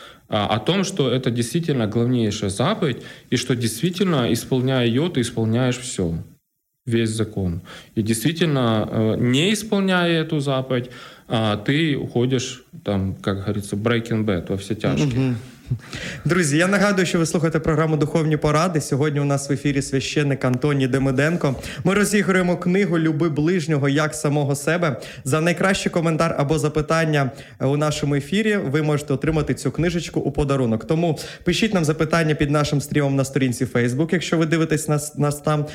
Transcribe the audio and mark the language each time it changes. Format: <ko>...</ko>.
<ru>О том, что это действительно главнейшая заповедь, и что действительно, исполняя ее, ты исполняешь все. Весь закон. И действительно, не исполняя эту заповедь, ты уходишь, там, как говорится, breaking bad, во все тяжкие. Mm-hmm.</ru> <uk>Друзі, я нагадую, що ви слухаєте програму «Духовні поради». Сьогодні у нас в ефірі священник Антоній Демиденко. Ми розігруємо книгу «Люби ближнього, як самого себе». За найкращий коментар або запитання у нашому ефірі ви можете отримати цю книжечку у подарунок. Тому пишіть нам запитання під нашим стрімом на сторінці Facebook, якщо ви дивитесь нас там.</uk>